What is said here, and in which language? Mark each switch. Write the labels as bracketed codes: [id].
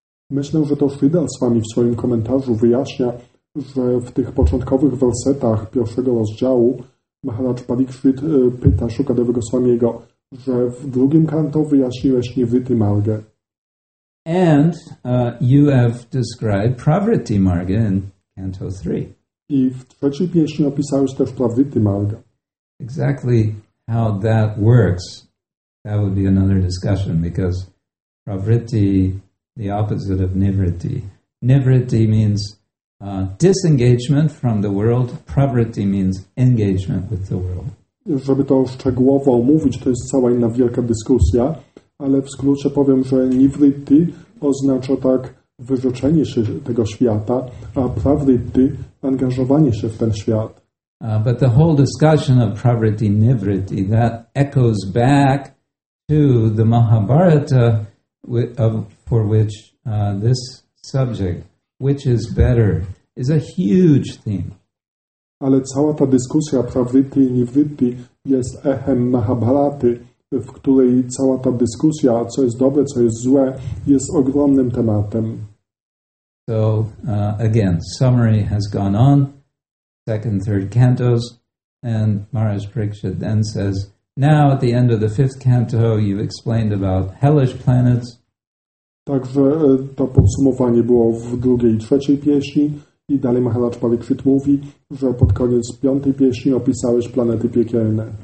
[pl] Myślę, że to Sridhar Swami w swoim komentarzu wyjaśnia, że w tych początkowych wersetach pierwszego rozdziału Maharaj Parikshit pyta Shukadeva Goswamiego, że w drugim kanto wyjaśniłeś Nivritti Marga. [en] And you have described Pravritti Marga in canto 3. [pl] I w trzeciej pieśni opisałeś też Pravritti Marga. [en] Exactly how that works, that would be another discussion, because Pravritti, the opposite of Nivritti. Nivritti means disengagement from the world. Pravritti means engagement with the world. [pl] Żeby to szczegółowo omówić, to jest cała inna wielka dyskusja, ale w skrócie powiem, że Nivritti oznacza tak wyrzeczenie się tego świata, a Pravritti angażowanie się w ten świat. [en] But the whole discussion of Pravritti Nivritti, that echoes back to the Mahabharata for which this subject, which is better, is a huge theme. [pl] Ale cała ta dyskusja Pravritti i Nivritti jest echem Mahabharaty, w której cała ta dyskusja, co jest dobre, co jest złe, jest ogromnym tematem. [en] So, again, summary has gone on, second, third cantos, and Maharaj Parikshit then says, now at the end of the fifth canto, you've explained about hellish planets. [pl] Także to podsumowanie było w drugiej i trzeciej pieśni i dalej Maharaj Parikshit mówi, że pod koniec piątej pieśni opisałeś planety piekielne.